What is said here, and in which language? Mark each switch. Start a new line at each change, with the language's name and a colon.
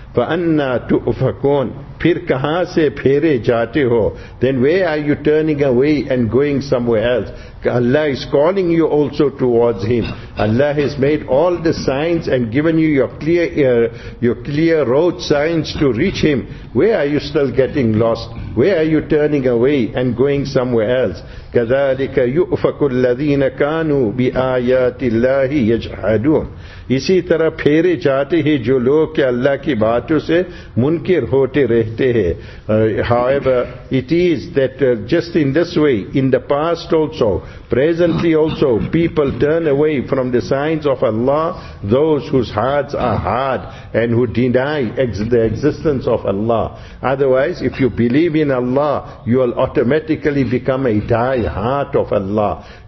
Arabic: فَأَنَّا تُؤْفَكُونَ
Urdu: پھر کہاں سے پھیرے جاتے ہو.
English: Then where are you turning away and going somewhere else? Allah is calling you also towards Him. Allah has made all the signs and given you your clear road signs to reach Him. Where are you still getting lost? Where are you turning away and going somewhere else?
Arabic: كَذَلِكَ يُؤْفَكُ الَّذِينَ كَانُوا بِآيَاتِ اللَّهِ يَجْحَدُونَ
Urdu: اسی طرح پھیرے جاتے ہیں جو لوگ کہ اللہ کی باتوں سے منکر ہوتے رہتے ہیں.
English: However, it is that just in this way, in the past also, presently also, people turn away from the signs of Allah, those whose hearts are hard and who deny the existence of Allah. Otherwise, if you believe in Allah, you will automatically become a die heart of Allah.